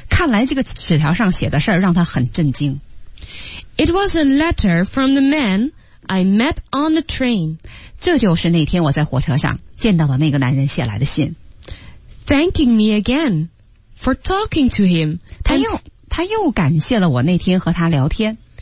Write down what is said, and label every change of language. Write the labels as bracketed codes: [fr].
[zh] 看来这个纸条上写的事儿让他很震惊。 [en] It was a letter from the man I met on the train. [zh] 这就是那天我在火车上见到的那个男人写来的信。 [en] Thanking me again for talking to him. [zh] 他又感谢了我那天和他聊天。